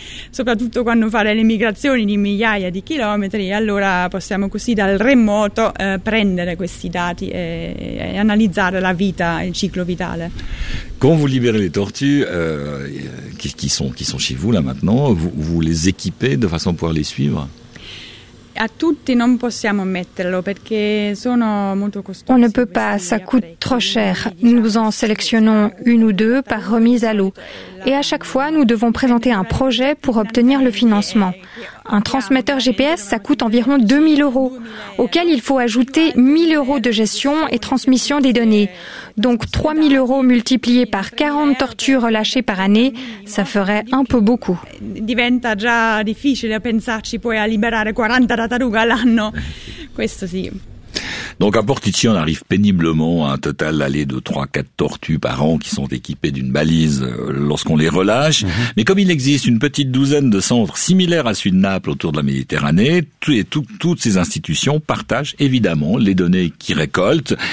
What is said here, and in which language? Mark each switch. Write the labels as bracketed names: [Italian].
[Italian] Soprattutto quando fa le migrazioni di migliaia di chilometri, allora possiamo così dal remoto prendere questi dati e analizzare la vita, il ciclo vitale. [French] Quand vous libérez les tortues qui sont chez vous là maintenant, vous les équipez de façon à pouvoir les suivre? [Italian] A tutti non possiamo metterlo perché sono molto costosi. [French] On ne peut pas, ça coûte trop cher. Nous en sélectionnons une ou deux par remise à l'eau. Et à chaque fois, nous devons présenter un projet pour obtenir le financement. Un transmetteur GPS, ça coûte environ 2000 euros, auquel il faut ajouter 1000 euros de gestion et transmission des données. Donc 3000 euros multipliés par 40 tortues relâchées par année, ça ferait un peu beaucoup. [Italian] Diventa già difficile a pensarci poi a liberare 40 tartarughe all'anno. Questo sì. [French] Donc à Portici, on arrive péniblement à un total d'aller de 3-4 tortues par an qui sont équipées d'une balise lorsqu'on les relâche. Mmh. Mais comme il existe une petite douzaine de centres similaires à celui de Naples autour de la Méditerranée, toutes ces institutions partagent évidemment les données qu'ils récoltent.